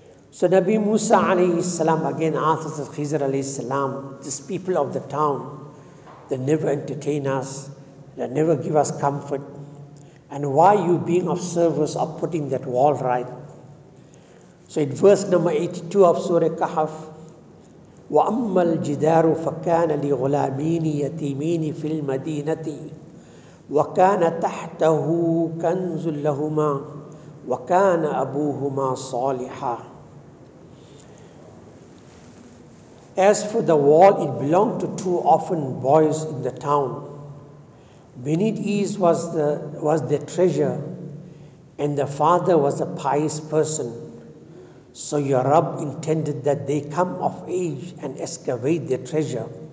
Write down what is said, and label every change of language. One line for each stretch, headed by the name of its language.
English: So Nabi Musa alayhi salam again asked Hazrat Khizr alayhi salam, these people of the town, they never entertain us, they never give us comfort, and why are you being of service of putting that wall right?
Arabic: So in verse number 82 of Surah Kahf, وَأَمَّا الْجِدَارُ فَكَانَ لِغُلَامِينِ يَتِيمِينِ فِي الْمَدِينَةِ وَكَانَ تَحْتَهُ كَنْزٌ لَهُمَا وَكَانَ أَبُوهُمَا صَالِحًا.
English: As for the wall, it belonged to two orphan boys in the town. Beneath ease was the treasure, and the father was a pious person. So your Rabb intended that they come of age and excavate their treasure.